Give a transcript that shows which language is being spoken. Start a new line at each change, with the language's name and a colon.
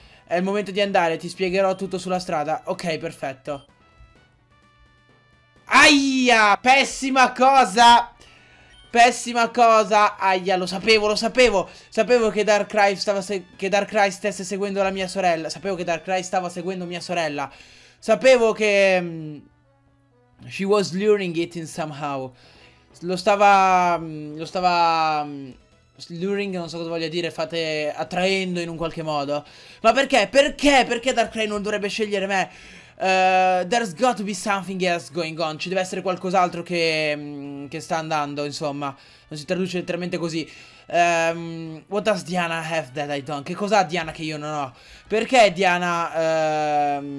Italian: È il momento di andare, ti spiegherò tutto sulla strada. Ok, perfetto. Aia, pessima cosa. Pessima cosa, aia, lo sapevo. Sapevo che Darkrai stava stesse seguendo la mia sorella. Sapevo che Darkrai stava seguendo mia sorella. Sapevo che
English: she was luring it in somehow.
Italian: Lo stava luring, non so cosa voglia dire, fate attraendo in un qualche modo. Ma perché? Perché? Perché Darkrai non dovrebbe scegliere me?
English: There's got to be something else going on.
Italian: Ci deve essere qualcos'altro che sta andando, insomma. Non si traduce letteralmente così.
English: What does Diana have that I don't?
Italian: Che cos'ha Diana che io non ho? Perché Diana...